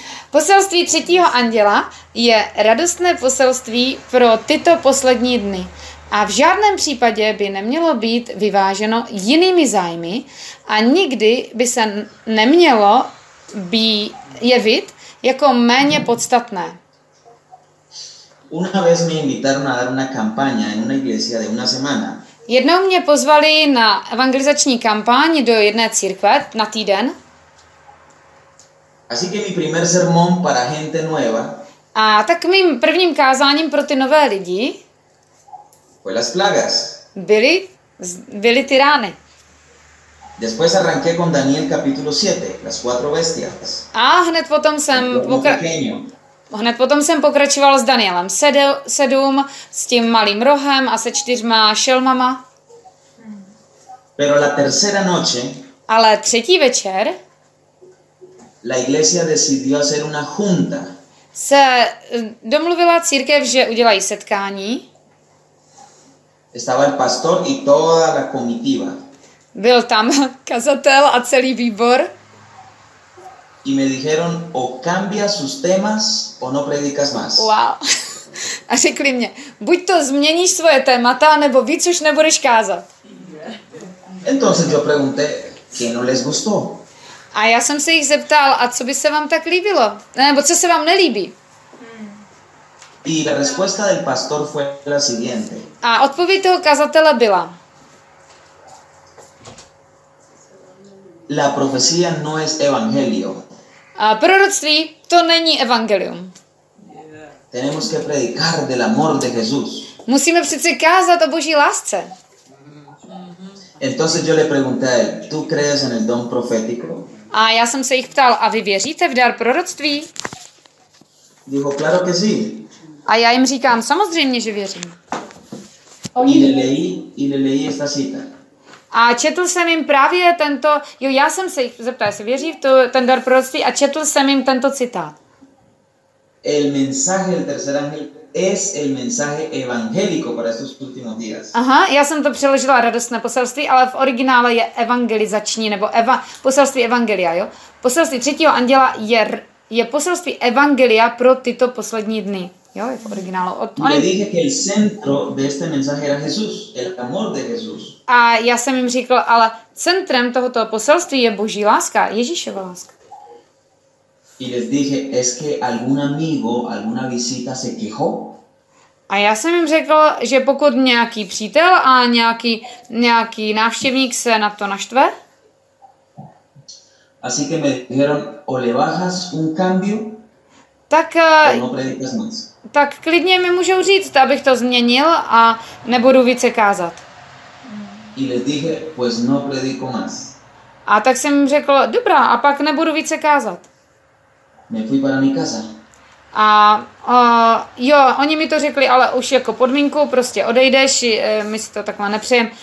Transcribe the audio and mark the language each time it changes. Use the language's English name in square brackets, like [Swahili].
[Czech] Poselství třetího anděla je radostné poselství pro tyto poslední dny a v žádném případě by nemělo být vyváženo jinými zájmy a nikdy by se nemělo být jevit jako méně podstatné. [Spanish] Una vez me invitaron a dar una campaña en una iglesia de una semana. [Czech] Jednou mě pozvali na evangelizační kampaň do jedné církve na týden. [Spanish] Así que mi primer sermón para gente nueva. [Czech] A tak mým prvním kázáním pro ty nové lidi. [Spanish] Fue las plagas. [Czech] Byly ty rány. [Spanish] Después arranqué con Daniel capítulo 7, las cuatro bestias. [Czech] A hned potom jsem Hned potom jsem pokračoval s Danielem 7, s tím malým rohem a se čtyřma šelmama. [Spanish] Pero la tercera noche, [Czech] ale třetí večer [Spanish] la iglesia decidió hacer una junta. [Czech] Se domluvila církev, že udělají setkání. [Spanish] Estaba el pastor y toda la comitiva. [Czech] Byl tam kazatel a celý výbor. [Spanish] Y me dijeron o cambias sus temas o no predicas más. Wow. [Czech] A řekli mě, buď to změníš svoje témata, nebo víc už nebudeš kázat. [Spanish] Entonces yo pregunté, ¿qué no les gustó? [Czech] A já jsem se jich zeptal, a co by se vám tak líbilo? Nebo co se vám nelíbí? [Spanish] Y la respuesta del pastor fue la siguiente. [Czech] A odpověď toho kazatele byla. [Spanish] La profecía no es evangelio. [Czech] A proroctví, to není evangelium. [Spanish] Tenemos que predicar del amor de Jesús. [Czech] Musíme přece kázat o Boží lásce. [Spanish] Entonces yo le pregunté, ¿tú crees en el don profético? [Czech] A já jsem se jich ptal, a vy věříte v dar proroctví? [Spanish] Dijo, claro que sí. [Czech] A já jim říkám, samozřejmě, že věřím. [Spanish] Y le leí esta cita. [Czech] A četl jsem jim právě tento, já jsem se jich zeptal, jestli věří v to, ten dar proroctví, a četl jsem jim tento citát. [Spanish] El mensaje del tercer ángel es el mensaje evangélico para estos últimos días. [Czech] Aha, já jsem to přeložila radostné poselství, ale v originále je evangelizační nebo poselství evangelia, jo. Poselství třetího anděla je poselství evangelia pro tyto poslední dny. Jo, je v originálu. [Spanish] Le dije que el centro de este mensaje era Jesús, el amor de Jesús. [Czech] A já jsem jim říkal, ale centrem tohoto poselství je Boží láska, Ježíšova láska. [Spanish] Y les dije, es que algún amigo, alguna visita se quejó. [Czech] A já jsem jim řekl, že pokud nějaký přítel a nějaký návštěvník se na to naštve. [Spanish] Así que me dijeron, o le bajas un cambio. [Czech] Tak klidně mi můžou říct, abych to změnil a nebudu více kázat. [Spanish] Y les dije, pues no predico más. [Czech] A tak jsem řekl, dobrá, a pak nebudu více kázat. [Spanish] Me fui para mi casa. [Czech] A jo, oni mi to řekli, ale už jako podmínku, prostě odejdeš, my si to takhle nepřejem.